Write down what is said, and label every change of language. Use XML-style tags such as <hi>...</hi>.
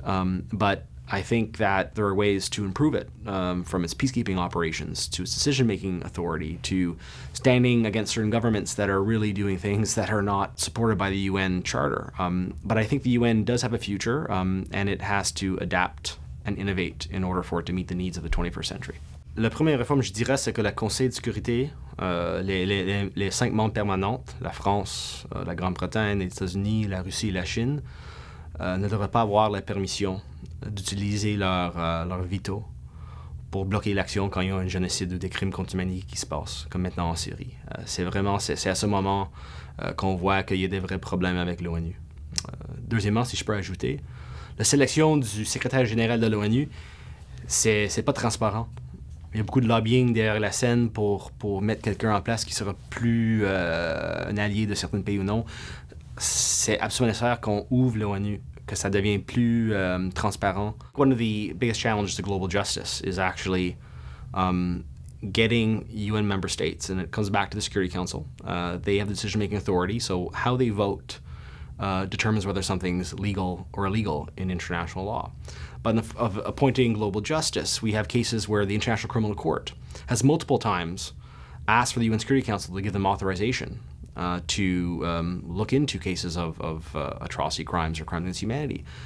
<en>But I think that there are ways to improve it, from its peacekeeping operations to its decision-making authority to standing against certain governments that are really doing things that are not supported by the UN charter. But I think the UN does have a future, and it has to adapt and innovate in order for it to meet the needs of the 21st century.</en> <fr>La première réforme, je dirais, c'est que le Conseil de sécurité, les cinq membres permanents, la France, la Grande-Bretagne, les États-Unis, la Russie et la Chine, ne devraient pas avoir la permission d'utiliser leur veto pour bloquer l'action quand il y a un génocide ou des crimes contre l'humanité qui se passent, comme maintenant en Syrie. C'est à ce moment qu'on voit qu'il y a des vrais problèmes avec l'ONU. Deuxièmement, si je peux ajouter, la sélection du secrétaire général de l'ONU, c'est pas transparent. Il y a beaucoup de lobbying derrière la scène pour mettre quelqu'un en place qui sera plus un allié de certains pays ou non. C'est absolument nécessaire qu'on ouvre l'ONU, que ça devienne plus transparent.</fr> <en>One of the biggest challenges to global justice is actually getting UN member states, and it comes back to the Security Council. They have the decision-making authority, so how they vote determines whether something's legal or illegal in international law. But in of appointing global justice, we have cases where the International Criminal Court has multiple times asked for the UN Security Council to give them authorization to look into cases of atrocity crimes or crimes against humanity.</en>